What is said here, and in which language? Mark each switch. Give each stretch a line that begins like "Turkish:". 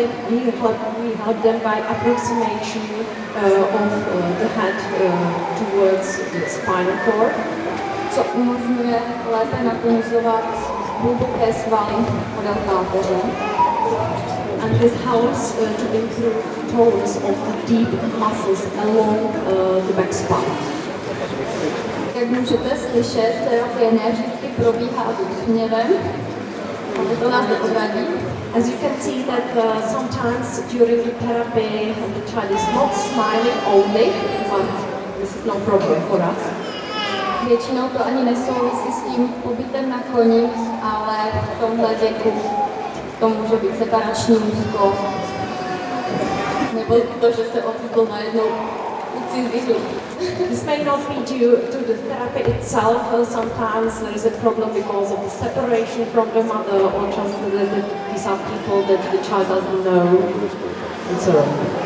English: We help them by approximation of the head towards the spinal cord.
Czech: Co umožňuje lépe natonizovat hluboké svaly podél páteře.
English: And this helps to improve tones of the deep muscles along the back spine.
Czech: Jak můžete slyšet, terapie ne vždycky probíhá úsměvem, ale to nás neodradí.
English: As you can see that sometimes during the therapy the child is not smiling only, but this is no problem for us.
Czech: Většinou to ani nesouvisí s tím pobytem na koni, ale v tomhle věku to může být separační úzko. Nebo to, že se ocitl najednou u cizího.
English: This may not be due to the therapy itself. Sometimes there is a problem because of the separation from the mother, or just that these are people that the child doesn't know, and so on.